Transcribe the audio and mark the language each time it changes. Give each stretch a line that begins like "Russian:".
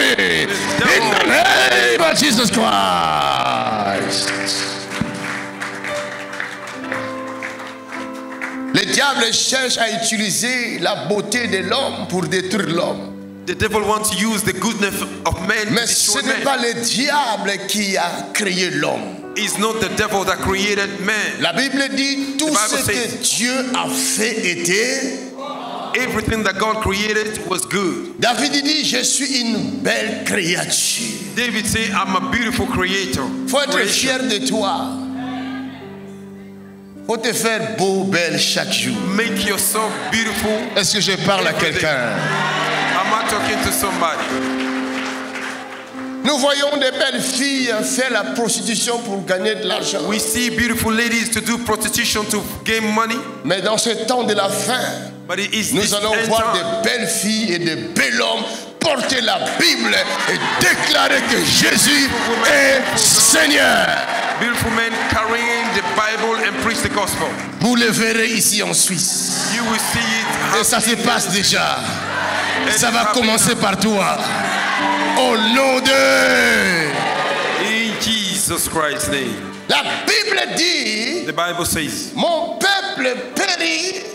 English: In the name of Jesus Christ.
French: Le diable cherche à utiliser la beauté de l'homme pour détruire l'homme.
English: The devil wants to use the goodness of man.
French: Mais ce n'est pas le diable qui a créé l'homme.
English: It's not the devil that created man.
French: La Bible dit tout ce que Dieu a fait était.
English: Everything that God created was good.
French: David dit, je suis une belle créature.
English: David said, I'm a beautiful creator.
French: Faut être fier de toi. Faut te faire beau, belle chaque jour.
English: Make yourself beautiful.
French: Est-ce que je parle à quelqu'un?
English: I'm not talking to somebody.
French: Nous voyons des belles filles faire la prostitution pour gagner de l'argent.
English: We see beautiful ladies to do prostitution to gain money.
French: Mais dans ce temps de la fin, nous allons voir des belles filles et des belles hommes porter la Bible et déclarer que Jésus est Seigneur.
English: Beautiful men carrying the Bible and preach the gospel.
French: Vous le verrez ici en Suisse.
English: You will see it.
French: Et ça se passe déjà. And ça va commencer par toi. Au nom de.
English: In Jesus Christ's name.
French: La Bible dit.
English: The Bible says.
French: Mon peuple périt.